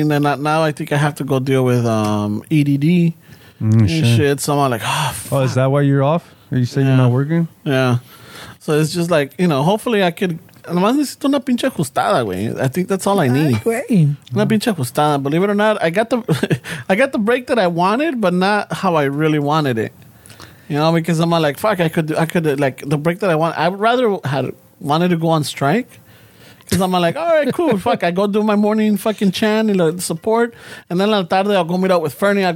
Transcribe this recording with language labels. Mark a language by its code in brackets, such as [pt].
[en] And then now I think I have to go deal with EDD and shit. So I'm like, fuck. Oh, is that why you're off? Are you saying you're not working? Yeah. So it's just like, you know, hopefully I could. [es] Nomás necesito una pinche ajustada, güey. [en] I think that's all I need. [es] Una pinche ajustada. [en] Believe it or not, I got the break that I wanted, but not how I really wanted it. You know, because I'm like, fuck, I could like the break that I want. I would rather had wanted to go on strike, because I'm like, all right, cool, fuck, I go do my morning fucking chant and like, support, and then [es] la tarde [en] I'll go meet up with Fernie.